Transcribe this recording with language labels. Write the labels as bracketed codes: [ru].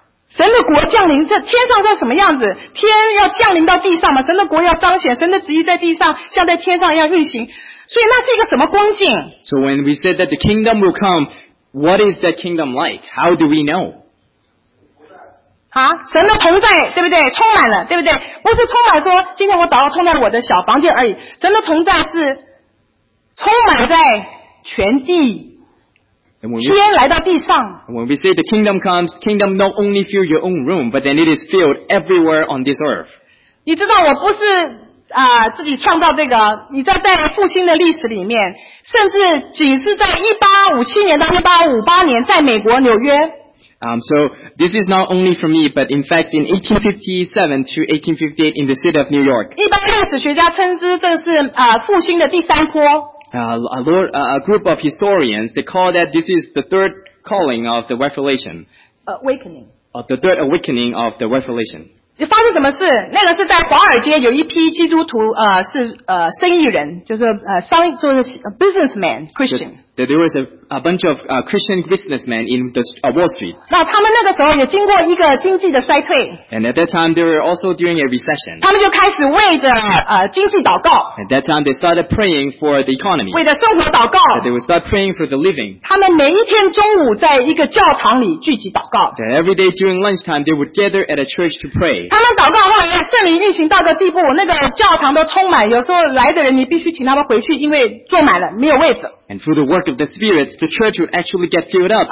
[zh] 神的国降临在天上在什么样子?天要降临到地上吗? 神的国要彰显, 神的旨意在地上, 像在天上一样运行, 所以那是一个什么光景? [en] So when we said that the kingdom will come, what is that kingdom like? How do we know? [zh] 啊, 神的同在, 对不对?充满了, 对不对? 不是充满说, 今天我祷告充满了我的小房间而已, 神的同在是充满在全地, [en] when we say the kingdom comes, kingdom not only fill your own room, but then it is filled everywhere on this earth. [zh] 你知道我不是, 自己创造这个, 你在复兴的历史里面, 甚至仅是在1857年到1858年, 在美国纽约, [en] So this is not only for me, but in fact in 1857 to 1858 in the city of New York. [zh] 一般历史学家称之这是, 复兴的第三波, [en] A group of historians, they call that this is the third calling of the Revelation. Awakening. Of the third awakening of the Revelation. [zh] 发生什么事?那个是在华尔街有一批基督徒, 是生意人, 就是, 商, 就是, [en] businessman, Christian. That there was a bunch of Christian businessmen in the Wall Street. [zh] 那他们那个时候也经过一个经济的衰退, [en] and at that time, they were also during a recession. [zh] 他们就开始为着, 经济祷告, [en] at that time, they started praying for the economy. [zh] 为着生活祷告, [en] that they would start praying for the living. [zh] 他们每一天中午在一个教堂里聚集祷告, [en] that every day during lunchtime, they would gather at a church to pray. [zh] 他们祷告后来, 圣灵运行到个地步, 那个教堂都充满, 有时候来的人, 你必须请他们回去, 因为坐满了, 没有位置。 [en] And through the work of the spirits, the church would actually get filled up.